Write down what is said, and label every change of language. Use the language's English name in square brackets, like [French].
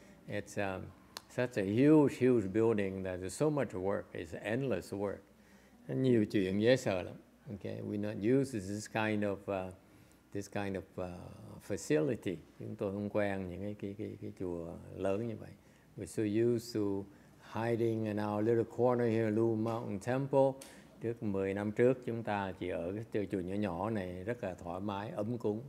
[English] It's such a huge building that there's so much work. It's endless work. [Vietnamese] Nhiều chuyện dễ sợ lắm. [English] Okay, we're not used to this kind of facility. [Vietnamese] Chúng tôi không quen những cái chùa lớn như vậy. [English] We're so used to hiding in our little corner here at Blue Mountain Temple. [Vietnamese] Trước 10 năm trước, chúng ta chỉ ở cái chùa nhỏ nhỏ này, rất là thoải mái, ấm cúng.